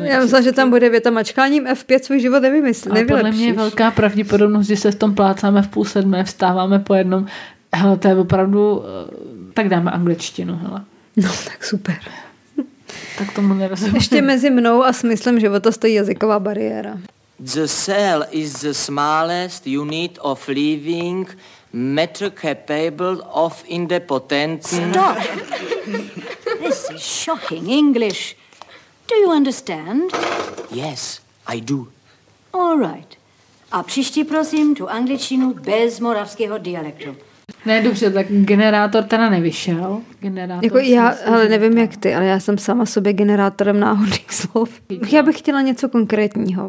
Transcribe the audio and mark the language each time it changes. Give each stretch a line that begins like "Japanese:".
Czech: já myslím, že tam bude věta mačkáním F5 svůj život nevymyslí, nevylepšíš. Podle mě je velká pravděpodobnost, že se v tom plácáme v 6:30, vstáváme po jednom. Hele, to je opravdu, tak dáme angličtinu, hele. No, tak super. Tak tomu nerozumím. Ještě mezi mnou a smyslem života stojí jazyková bariéra.
English: The cell is the smallest unit of living matter capable of independence. Stop! This is shocking English. Do you understand? Yes, I do. All right.
Czech: A příští prosím tu angličtinu bez moravského dialektu. Ne, dobře, tak generátor teda nevyšel. Generátor jako já, ale nevím jak ty, ale já jsem sama sobě generátorem náhodných slov. Já bych chtěla něco konkrétního.